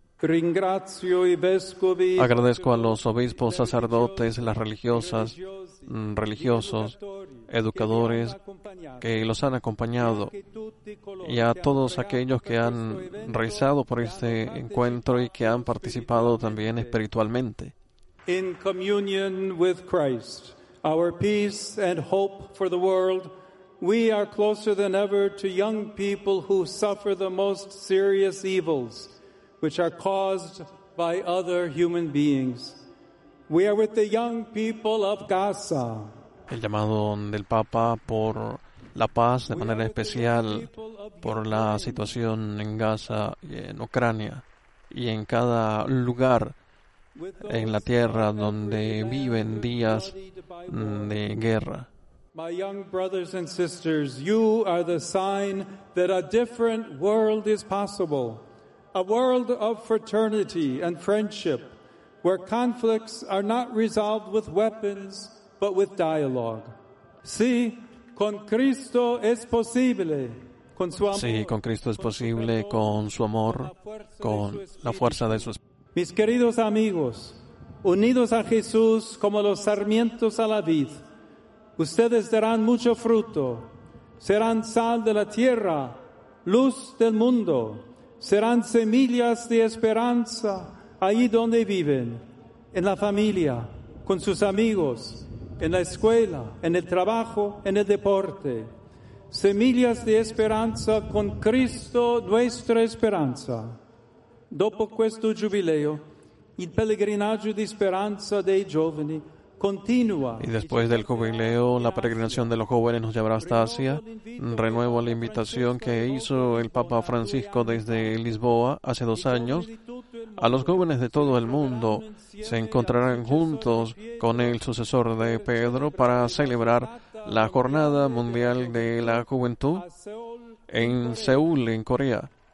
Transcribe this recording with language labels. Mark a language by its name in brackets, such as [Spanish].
[Spanish] Agradezco a los obispos, sacerdotes, las religiosas, religiosos, educadores que los han acompañado y a todos aquellos que han rezado por este encuentro y que han participado también espiritualmente. [English] In communion with Christ, our peace and hope for the world, we are closer than ever to young people who suffer the most serious evils, which are caused by other human beings. We are with the young people of Gaza. [Spanish] El llamado del Papa por la paz, de manera especial, por la situación en Gaza y en Ucrania, y en cada lugar en la tierra donde viven días de guerra. [English] My young brothers and sisters, you are the sign that a different world is possible, a world of fraternity and friendship, where conflicts are not resolved with weapons, but with dialogue. [Spanish] Sí, con Cristo es posible. Con su amor. Sí, con Cristo es posible, con su amor, con la fuerza de su espíritu. Mis queridos amigos, unidos a Jesús como los sarmientos a la vid, ustedes darán mucho fruto. Serán sal de la tierra, luz del mundo. Serán semillas de esperanza allí donde viven, en la familia, con sus amigos, en la escuela, en el trabajo, en el deporte. Semillas de esperanza con Cristo, nuestra esperanza. [Italian] Dopo questo giubileo, il pellegrinaggio di speranza dei giovani continua. [Spanish] Y después del jubileo, la peregrinación de los jóvenes nos llevará hasta Asia. Renuevo la invitación que hizo el Papa Francisco desde Lisboa hace 2 años. A los jóvenes de todo el mundo se encontrarán juntos con el sucesor de Pedro para celebrar la Jornada Mundial de la Juventud en Seúl, en Corea.